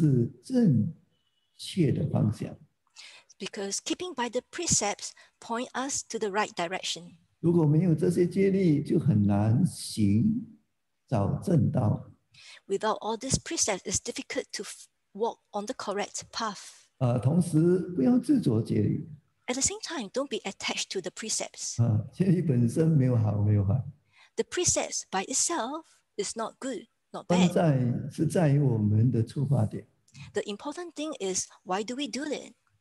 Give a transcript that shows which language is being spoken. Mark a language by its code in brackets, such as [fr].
[zh] 就如路牌指示正确的方向。 [en] Because keeping by the precepts point us to the right direction. [zh] 如果没有这些戒律，就很难行找正道。 [en] Without all these precepts, it's difficult to walk on the correct path. [zh] 同时不要执着戒律。 [en] At the same time, don't be attached to the precepts. [zh] 戒律本身没有好没有坏。 [en] The precepts by itself is not good. [zh] 关在是在于我们的出发点。 [en] The important thing is why do we do it?